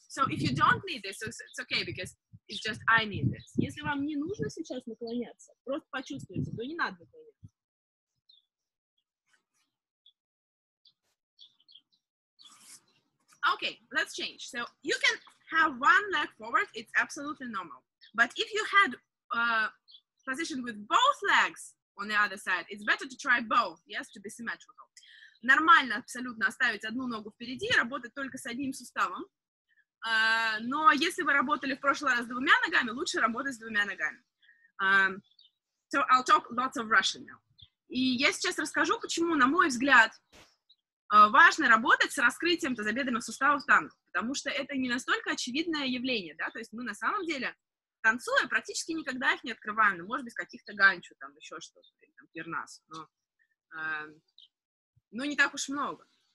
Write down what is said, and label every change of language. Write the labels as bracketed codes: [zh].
[en] So if you don't need this, it's okay, because it's just I need this. [ru] Если вам не нужно сейчас наклоняться, просто почувствуйте, то не надо наклоняться. [en] Okay, let's change. So you can have one leg forward, it's absolutely normal. But if you had a position with both legs on the other side, it's better to try both, yes, to be symmetrical. [ru] Нормально абсолютно оставить одну ногу впереди и работать только с одним суставом. Но если вы работали в прошлый раз с двумя ногами, лучше работать с двумя ногами. [en] So I'll talk lots of Russian now. [ru] И я сейчас расскажу, почему, на мой взгляд, важно работать с раскрытием тазобедренных суставов танго, потому что это не настолько очевидное явление, да, то есть мы на самом деле, танцуя, практически никогда их не открываем, ну, может быть, каких-то ганчу, там, еще что-то, или, там, пернас, но не так уж много.